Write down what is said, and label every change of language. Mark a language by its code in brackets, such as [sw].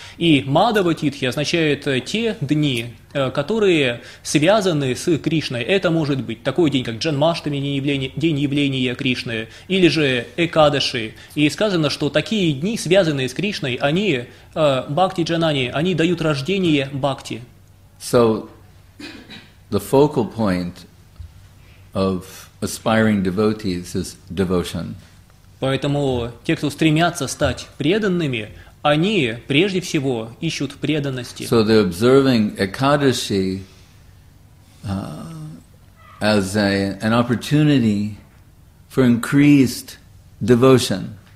[ru] И Мадава Титхи означает те дни, которые связаны с Кришной. Это может быть такой день, как Джанмаштами, день явления Кришны, или же Экадаши. И сказано, что такие дни, связанные с Кришной, они, Бхакти Джанани, они дают рождение Бхакти. [en] So, the focal point of aspiring devotees is devotion. [ru] Поэтому те, кто стремятся стать преданными, они прежде всего ищут преданности. [en] So they're observing Ekadashi as an opportunity for increased devotion.